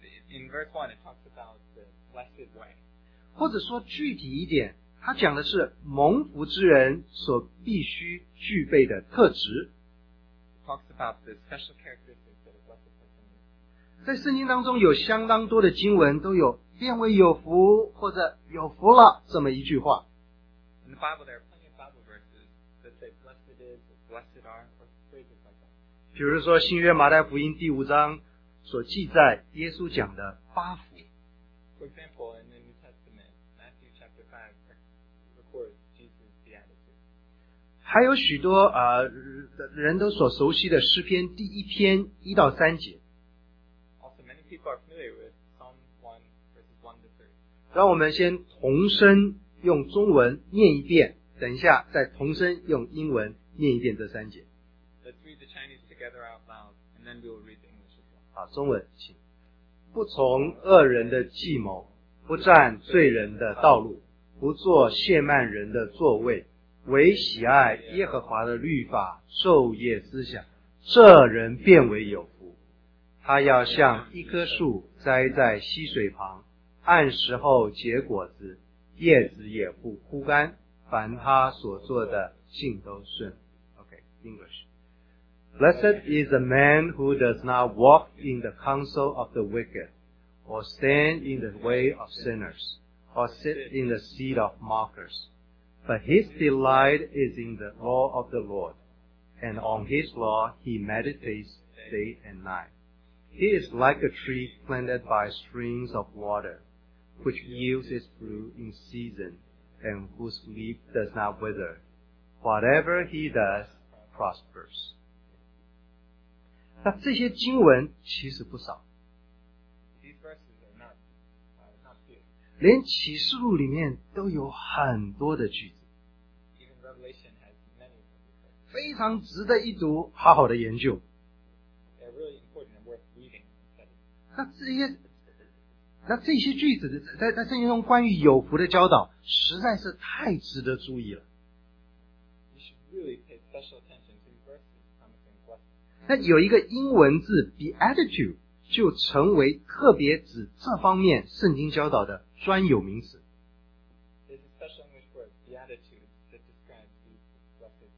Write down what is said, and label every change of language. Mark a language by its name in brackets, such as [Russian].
[English] In verse one, it talks about the blessed way. [Chinese] 或者说具体一点，它讲的是蒙福之人所必须具备的特质。 [English] It talks about the special characteristics that a blessed person needs. [Chinese] 在圣经当中有相当多的经文都有变为有福或者有福了这么一句话。 [English] In the Bible, there are plenty of Bible verses that say blessed is, blessed are, or praise is like that. [Chinese] 比如说新约马太福音第五章所记载耶稣讲的八福。 [English] For example, in the New Testament, Matthew chapter 5 records Jesus' Beatitude. [Chinese] 还有许多、人都所熟悉的诗篇第一篇一到三节。 [English] Also, many people are familiar with Psalm 1 verses 1 to 3. [Chinese] 让我们先同声用中文念一遍，等一下再同声用英文念一遍这三节。 [English] Let's read the Chinese together out loud, and then we'll read the English as well. [Chinese] 好，中文，请。不从恶人的计谋，不占罪人的道路，不做亵慢人的座位，唯喜爱耶和华的律法，昼夜思想，这人变为有福。他要像一棵树栽在溪水旁，按时候结果子，叶子也不枯干，凡他所做的尽都顺。 [English] OK, English. Blessed is the man who does not walk in the counsel of the wicked, or stand in the way of sinners, or sit in the seat of mockers. But his delight is in the law of the Lord, and on his law he meditates day and night. He is like a tree planted by streams of water, which yields its fruit in season, and whose leaf does not wither. Whatever he does, prospers. [Chinese] 那这些经文其实不少。 [English] These verses are not few. [Chinese] 连启示录里面都有很多的句子。 [English] Even Revelation has many of them. [Chinese] 非常值得一读，好好的研究。 [English] They're really important and worth reading. [Chinese] 那这些句子在圣经中关于有福的教导实在是太值得注意了。 [English] You should really pay special attention to these verses promising [Chinese] blessing. 那有一个英文字 Beatitude 就成为特别指这方面圣经教导的专有名词。 [English] There's a special English word, Beatitude, that describes these blessed